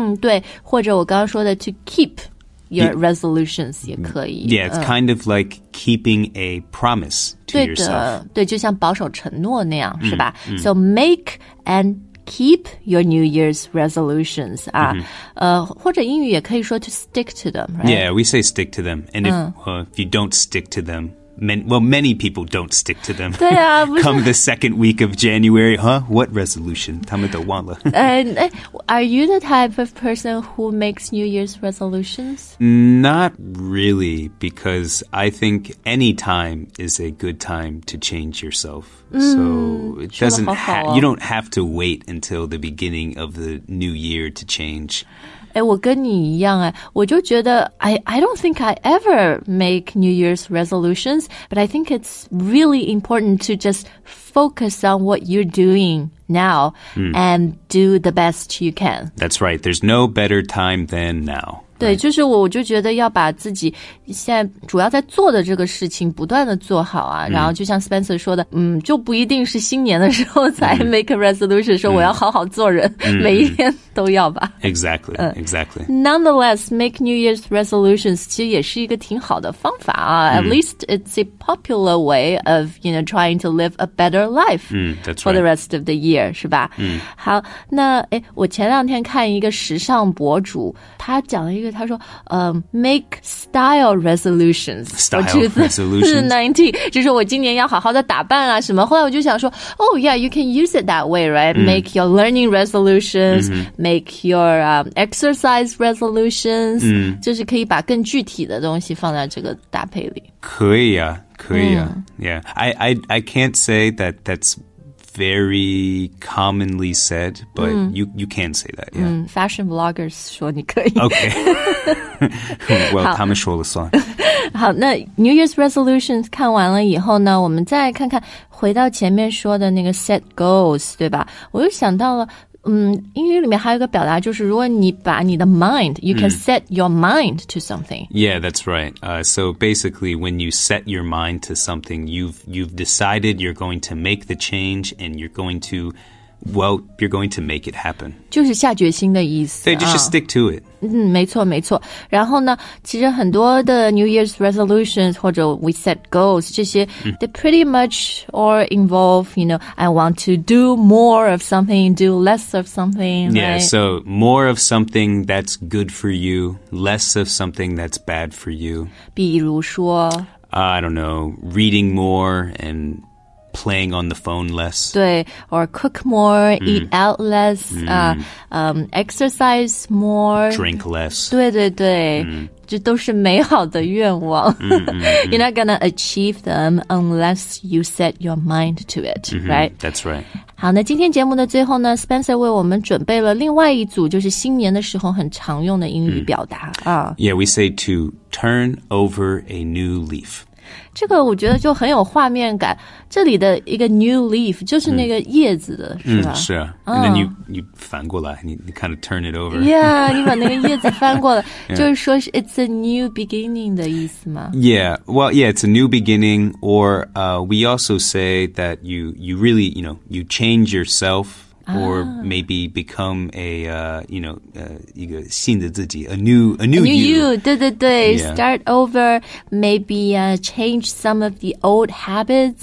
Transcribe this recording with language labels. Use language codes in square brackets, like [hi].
[zh] 对，或者我刚刚说的 to keep your resolutions 也可以。 [en] Yeah, it's kind of like keeping a promise to [zh] 对的 [en] yourself. [zh] 对，就像保守承诺那样，是吧？ [en] So make andKeep your New Year's resolutions. [zh] 或者英语也可以说 to stick to them, right? [en] Yeah, we say stick to them. And if you don't stick to them, many people don't stick to them. [zh] 对啊， [en] Come the second week of January, huh? [zh] What resolution? 他们都忘了。 [en] Are you the type of person who makes New Year's resolutions? Not really, because I think any time is a good time to change yourself. So it doesn't you don't have to wait until the beginning of the new year to change. 哎，我跟你一样哎，我就觉得 I don't think I ever make New Year's resolutions, but I think it's really important to just focus on what you're doing now and do the best you can. That's right. There's no better time than now. [zh] 对，就是我就觉得要把自己现在主要在做的这个事情不断的做好啊。然后就像 Spencer 说的，就不一定是新年的时候才 make a resolution, 说我要好好做人，每一天都要吧。 [en] Exactly, exactly. [zh] Nonetheless, make New Year's resolutions 其实也是一个挺好的方法啊。 [en] At least it's a popular way of, you know, trying to live a better life for the rest of the year, 是吧？ [zh] 好，那我前两天看一个时尚博主，他讲了一个，他说， make style resolutions. [en] Style resolutions. [zh] 2019, 就是我今年要好好的打扮啊什么。 [en] 后来我就想说，Oh yeah, you can use it that way, right? Make your learning resolutions. [zh] Make your exercise resolutions, 就是可以把更具体的东西放在这个搭配里。可以啊，可以啊。 [en] Yeah, I can't say that that's very commonly said, but you can say that, yeah. [zh] Fashion bloggers 说你可以。 Okay. Well, 他们说了算。好，那 New Year's resolutions 看完了以后呢，我们再看看回到前面说的那个 set goals, 对吧？我又想到了英语里面还有一个表达就是如果你把你的 mind, you can set your mind to something. [en] Yeah, that's right. So basically, when you set your mind to something, you've decided you're going to make the change and you're going to, well, you're going to make it happen. [zh] 就是下决心的意思。对，就是 stick to it. 没错没错。 [en] 然后呢其实很多的 New Year's resolutions 或者 we set goals, 这些、 they pretty much all involve, you know, I want to do more of something, do less of something. Yeah, so more of something that's good for you, less of something that's bad for you. [zh] 比如说 [en] I don't know, reading more andplaying on the phone less. 对 or cook more, eat out less, exercise more. Drink less. [zh] 对对对这都是美好的愿望。 [en] You're not gonna achieve them unless you set your mind to it, right? That's right. [zh] 好那今天节目的最后呢 Spencer 为我们准备了另外一组就是新年的时候很常用的英语表达。 [en] Yeah, we say to turn over a new leaf. [zh] 这个我觉得就很有画面感这里的一个 new leaf 就是那个叶子的是吧 [en] 是啊、 and then you 翻过来 you kind of turn it over [zh] yeah 你把那个叶子翻过来、yeah. 就是说是 it's a new beginning 的意思吗 [en] yeah well yeah it's a new beginning or we also say that you really you know you change yourselfOr maybe become a, you know, 一个新的自己 a new you. A new you, 对对对、 yeah. Start over, maybe change some of the old habits、